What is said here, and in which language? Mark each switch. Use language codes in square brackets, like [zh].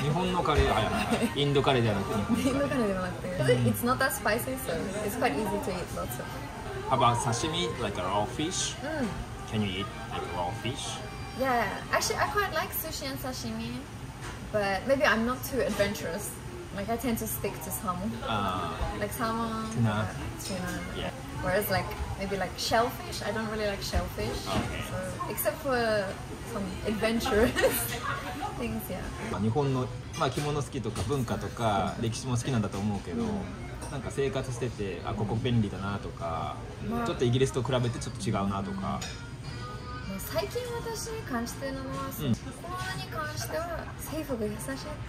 [ja] 日本のカレーはい、インドカレーではなくて日本カレーではなくて [en] It's not that spicy, so it's quite easy to eat lots of How about sashimi? Like raw fish? Can you eat like raw fish? Yeah, actually I quite like sushi and sashimi But maybe I'm not too adventurous Like I tend to stick to salmon Like salmon, tuna, Yeah. Whereas like maybe like shellfish, I don't really like shellfish Okay. So, except for some adventurousThings, yeah. [ja] 日本の、まあ、着物好きとか文化とか歴史も好きなんだと思うけど、なんか生活しててあここ便利だなとか、ちょっとイギリスと比べてちょっと違うなとか。もう最近私に感じてるのは、コロナに関しては政府が優しいと思って。